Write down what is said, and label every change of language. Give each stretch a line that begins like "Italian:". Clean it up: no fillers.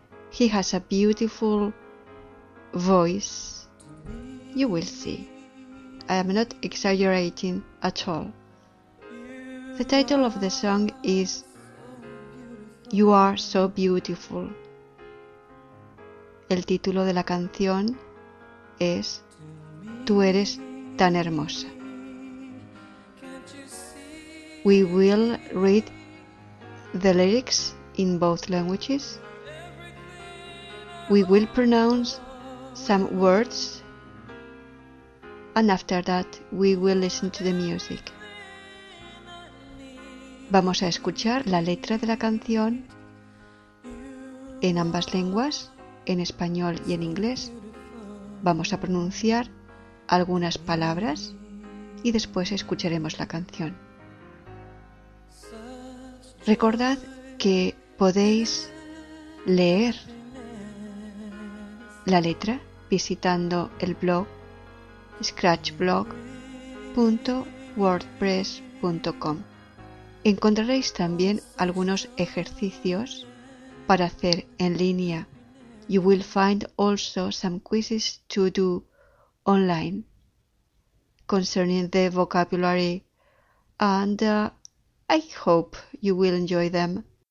English: He has a beautiful voice, you will see. I am not exaggerating at all. The title of the song is You Are So Beautiful.
Spanish: El título de la canción es Tú Eres Tan Hermosa.
English: We will read the lyrics in both languages. We will pronounce some words. And after that, we will listen to the music.
Spanish: Vamos a escuchar la letra de la canción en ambas lenguas, en español y en inglés. Vamos a pronunciar algunas palabras y después escucharemos la canción. Recordad que podéis leer la letra visitando el blog scratchblog.wordpress.com. Encontraréis también algunos ejercicios para hacer en línea.
English: You will find also some quizzes to do online concerning the vocabulary, and I hope you will enjoy them.